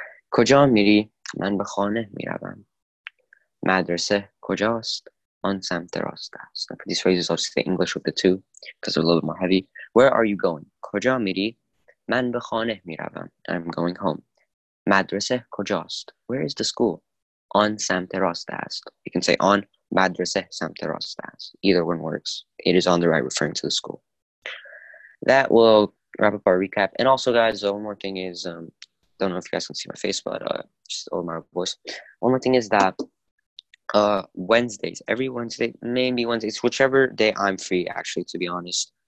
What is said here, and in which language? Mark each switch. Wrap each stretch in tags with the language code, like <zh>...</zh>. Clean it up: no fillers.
<fa>کجا میری؟ من به خانه میروم. مدرسه کجاست؟ آن سمت راست است.</fa> <en>Now, for these phrases, I'll say English with the two because they're a little bit more heavy. Where are you going?</en> <fa>کجا میری؟ من به خانه میروم.</fa> <en>I'm going home.</en> <fa>مدرسه کجاست؟</fa> <en>Where is the school?</en> <fa>آن سمت راست است.</fa> <en>You can say</en> <fa>آن مدرسه سمت راست است.</fa> <en>Either one works. It is on the right, referring to the school. That will wrap up our recap. And also, guys, one more thing is... don't know if you guys can see my face, but just over my voice. One more thing is that Wednesdays, every Wednesday, maybe Wednesdays, whichever day I'm free, actually, to be honest.</en>